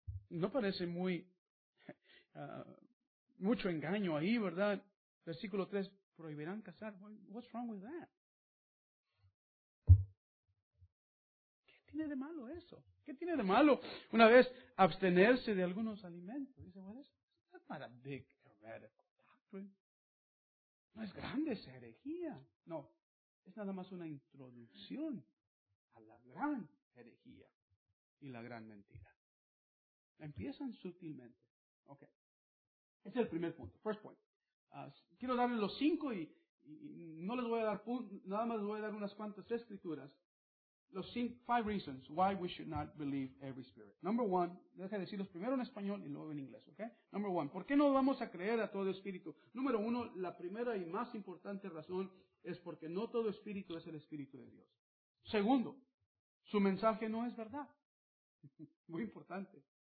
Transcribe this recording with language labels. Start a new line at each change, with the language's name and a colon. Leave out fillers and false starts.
Spanish: No parece muy mucho engaño ahí, ¿verdad? Versículo 3. Prohibirán casar.
English: What's wrong with that?
Spanish: ¿Qué tiene de malo eso? ¿Qué tiene de malo una vez abstenerse de algunos alimentos?
English: Dice, well, that's not a big heretical doctrine.
Spanish: No es grande esa herejía. No, es nada más una introducción a la gran herejía y la gran mentira. Empiezan sutilmente. Ok. Es el primer punto.
English: First point.
Spanish: Quiero darles los 5 y no les voy a dar nada más les voy a dar unas cuantas escrituras.
English: Los 5 reasons why we should not believe every spirit. Number 1,
Spanish: deja de decirlos primero en español y luego en inglés, ¿ok? Number 1, ¿por qué no vamos a creer a todo espíritu? Número 1, la primera y más importante razón es porque no todo espíritu es el espíritu de Dios. Segundo, su mensaje no es verdad. Muy importante.